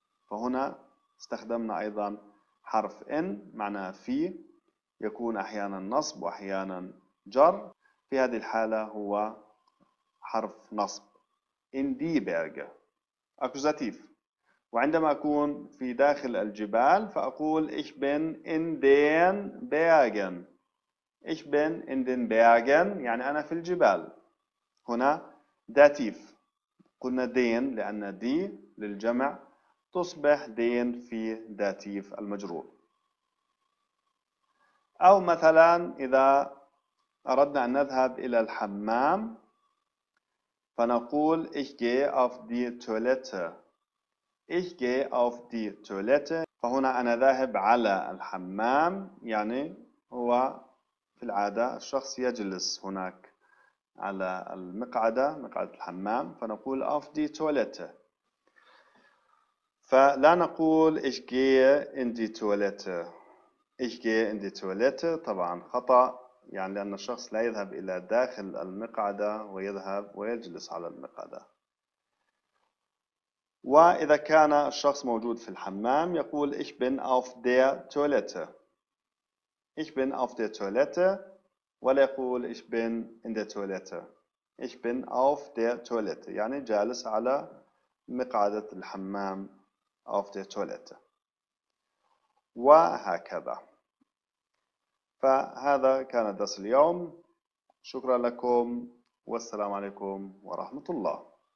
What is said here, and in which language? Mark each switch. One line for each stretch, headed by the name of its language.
Arabic: فهنا استخدمنا أيضا حرف إن معناه في يكون أحيانا نصب وأحيانا جر. في هذه الحالة هو حرف نصب.
German: In die Berge.
Arabic: أكوزاتيف. وعندما أكون في داخل الجبال فأقول
German: ich bin in den Bergen. Ich bin in den Bergen
Arabic: يعني أنا في الجبال. هنا داتيف قلنا دين لأن دي للجمع تصبح دين في داتيف المجرور. أو مثلا إذا أردنا أن نذهب إلى الحمام فنقول
German: ich gehe auf die Toilette. Ich gehe auf die Toilette.
Arabic: فهنا أنا ذاهب على الحمام يعني هو في العادة الشخص يجلس هناك على المقعدة مقعدة الحمام فنقول
German: auf die Toilette.
Arabic: فلا نقول
German: ich gehe in die Toilette. Ich gehe in die Toilette
Arabic: طبعا خطأ يعني لأن الشخص لا يذهب إلى داخل المقعدة ويذهب ويجلس على المقعدة. وإذا كان الشخص موجود في الحمام يقول
German: ich bin auf der Toilette. Ich bin auf der Toilette
Arabic: ولا يقول
German: ich bin in der Toilette. Ich bin auf der Toilette
Arabic: يعني جالس على مقعدة الحمام
German: auf der Toilette.
Arabic: وهكذا. فهذا كان درس اليوم. شكرا لكم والسلام عليكم ورحمة الله.